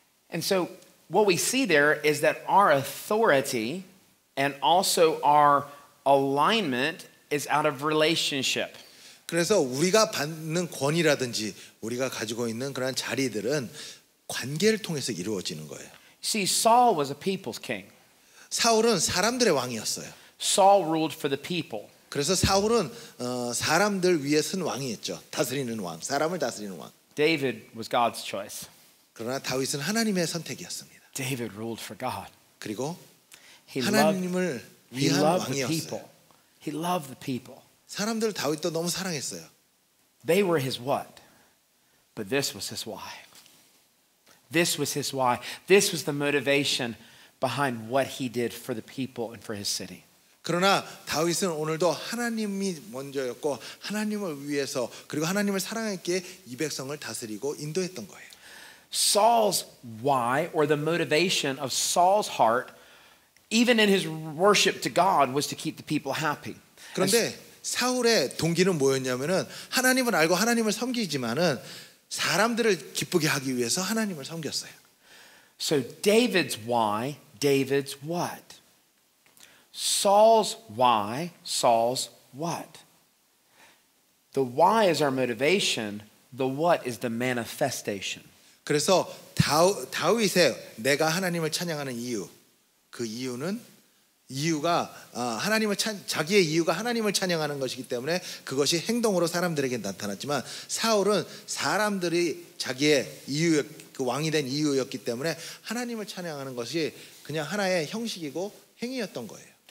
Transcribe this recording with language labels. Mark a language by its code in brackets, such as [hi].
[en] And so what we see there is that our authority and also our alignment is out of relationship. [ko] 그래서 우리가 받는 권위라든지 우리가 가지고 있는 그런 자리들은 관계를 통해서 이루어지는 거예요. [en] See, Saul was a people's king. [ko] 사울은 사람들의 왕이었어요. [en] Saul ruled for the people. [ko] 그래서 사울은 사람들 위에 선 왕이었죠. 다스리는 왕, 사람을 다스리는 왕. [en] David was God's choice. [ko] 그러나 다윗은 하나님의 선택이었습니다. [en] David ruled for God. [ko] 그리고 하나님을 [en] He loved the people. He loved the people. [ko] 사람들 다윗도 너무 사랑했어요. [en] They were his what? But this was his why. This was his why. This was the motivation behind what he did for the people and for his city. [ko] 그러나 다윗은 오늘도 하나님이 먼저였고 하나님을 위해서 그리고 하나님을 사랑했기에 이 백성을 다스리고 인도했던 거예요. [en] Saul's why or the motivation of Saul's heart even in his worship to God was to keep the people happy. [ko] 그런데 사울의 동기는 뭐였냐면은 하나님을 알고 하나님을 섬기지만은 사람들을 기쁘게 하기 위해서 하나님을 섬겼어요. [en] So David's why, David's what? Saul's why, Saul's what? The why is our motivation, the what is the manifestation. [ko] 그래서 다윗의 내가 하나님을 찬양하는 이유. 그 이유는 이유가 하나님을 자기의 이유가 하나님을 찬양하는 것이기 때문에 그것이 행동으로 사람들에게 나타났지만 사울은 사람들이 자기의 이유 그 왕이 된 이유였기 때문에 하나님을 찬양하는 것이 그냥 하나의 형식이고 행위였던 거예요.